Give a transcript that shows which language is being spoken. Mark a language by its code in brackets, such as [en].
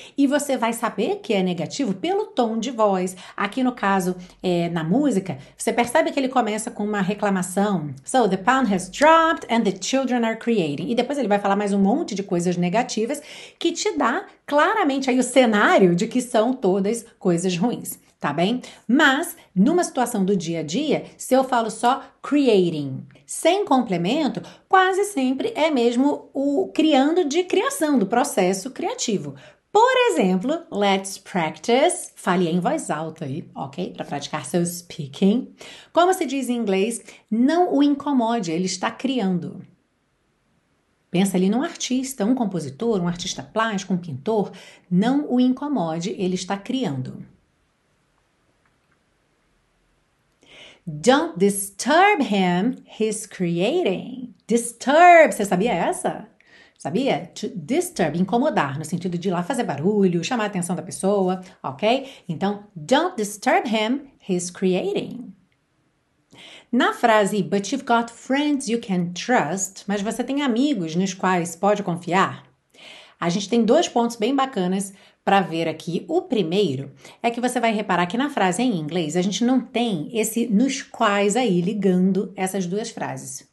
[pt] E você vai saber que é negativo pelo tom de voz. Aqui no caso, na música, você percebe que ele começa com uma reclamação. [en] So, the pound has dropped and the children are creating. [pt] E depois ele vai falar mais um monte de coisas negativas que te dá claramente aí o cenário de que são todas coisas ruins, tá bem? Mas numa situação do dia a dia, se eu falo só creating sem complemento, quase sempre é mesmo o criando de criação, do processo criativo. Por exemplo, [en] let's practice. [pt] Fale em voz alta aí, ok? Para praticar seu speaking. Como se diz em inglês, não o incomode, ele está criando. Pensa ali num artista, um compositor, um artista plástico, um pintor. Não o incomode, ele está criando. [en] Don't disturb him, he's creating. [pt] Disturb, você sabia essa? Sabia? To disturb, incomodar, no sentido de ir lá fazer barulho, chamar a atenção da pessoa, ok? Então, [en] don't disturb him, he's creating. [pt] Na frase, [en] but you've got friends you can trust, [pt] mas você tem amigos nos quais pode confiar, a gente tem dois pontos bem bacanas para ver aqui. O primeiro é que você vai reparar que na frase em inglês a gente não tem esse nos quais aí ligando essas duas frases.